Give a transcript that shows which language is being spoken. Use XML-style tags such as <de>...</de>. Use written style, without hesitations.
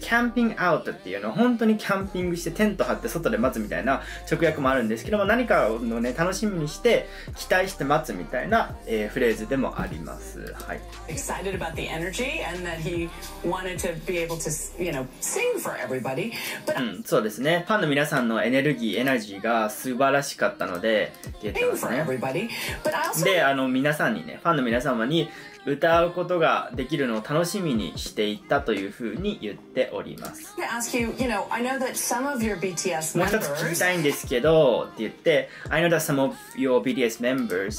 <ja>キャンピングアウトっていうのは本当にキャンピングしてテント張って外で待つみたいな直訳もあるんですけども、何かの、ね、楽しみにして期待して待つみたいな、フレーズでもあります。はい。</ja> <en>Excited about the energy and that he wanted to be able to you know, sing for everybody</en> <ja>but... うん、そうですね、ファンの皆さんのエネルギーエナジーが素晴らしかったのでって言ってますね。で、あの皆さんにね、ファンの皆様に歌うことができるのを楽しみにしていたというふうに言っております。もう一つ聞きたいんですけどって言って、</ja> <en>I know that some of your BTS members</en>